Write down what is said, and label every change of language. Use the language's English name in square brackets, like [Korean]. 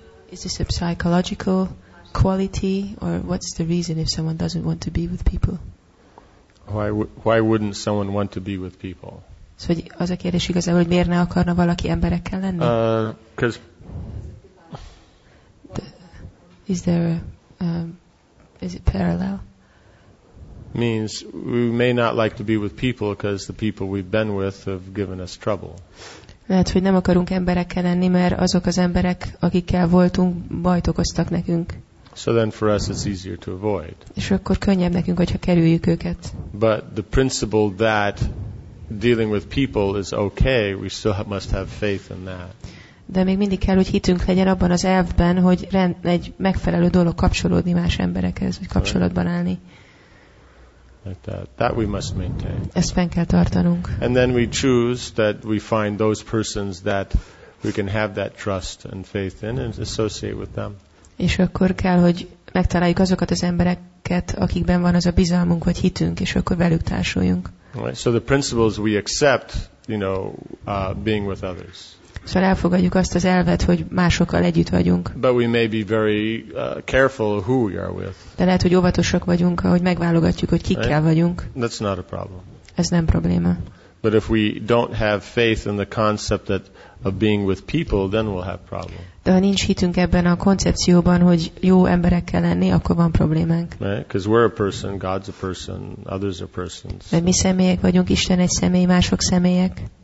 [English] Is this a psychological quality, or what's the reason if someone doesn't want to be with people? Why wouldn't someone want to be with people? [Hungarian] So, hogy az a kérdés igazából, hogy miért ne akarna valaki emberekkel lenni? [English] Because is there is it parallel? Means we may not like to be with people because the people we've been with have given us trouble. [Hungarian] Lehet, hogy nem akarunk emberekkel lenni, mert azok az emberek, akikkel voltunk, bajt okoztak nekünk. [English] So then for us it's easier to avoid. [Hungarian] És akkor könnyebb nekünk, hogyha kerüljük őket. [English] But the principle that dealing with people is okay, we still must have faith in that. [Hungarian] De még mindig kell, hogy hitünk legyen abban az elvben, hogy egy megfelelő dolog kapcsolódni más emberekhez, vagy kapcsolatban állni. [English] Like that we must maintain. [Hungarian] Ezt fenn kell tartanunk. [English] And then we choose that we find those persons that we can have that trust and faith in and associate with them. [Hungarian] És akkor kell, hogy megtaláljuk azokat az embereket, akikben van az a bizalmunk vagy hitünk, és akkor velük társuljunk. [English] Right. So the principles we accept, you know, being with others. [Hungarian] Szóval elfogadjuk azt az elvet, hogy másokkal együtt vagyunk. [English] But we may be very careful who we are with. [Hungarian] De lehet, hogy óvatosak vagyunk, ahogy megválogatjuk, hogy kikkel vagyunk. [English] That's not a problem. [Hungarian] Ez nem probléma. [English] But if we don't have faith in the concept that of being with people, then we'll have problem. [Hungarian] De ha nincs hitünk ebben a koncepcióban, hogy jó emberekkel lenni, akkor van problémánk. [English] Right? Because we're a person, God's a person, others are persons. [Hungarian] Mert mi személyek vagyunk, Isten egy személy, mások személyek.